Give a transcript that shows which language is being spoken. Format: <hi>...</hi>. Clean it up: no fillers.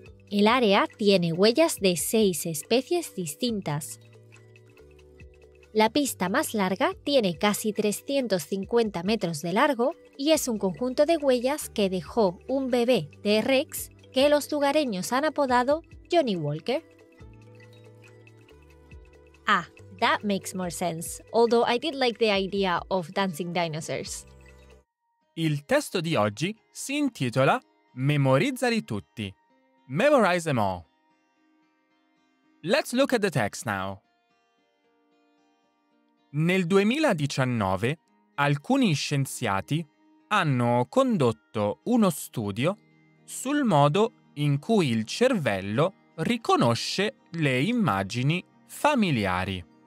<es>El área tiene huellas de 6 especies distintas. La pista más larga tiene casi 350 metros de largo y es un conjunto de huellas que dejó un bebé de Rex que los lugareños han apodado Johnny Walker.</es> <en>Ah, that makes more sense, although I did like the idea of dancing dinosaurs.</en> <it>Il testo di oggi si intitola Memorizzali tutti.</it> <en>Memorize them all. Let's look at the text now.</en> <it>Nel 2019, alcuni scienziati hanno condotto uno studio sul modo in cui il cervello riconosce le immagini familiari.</it>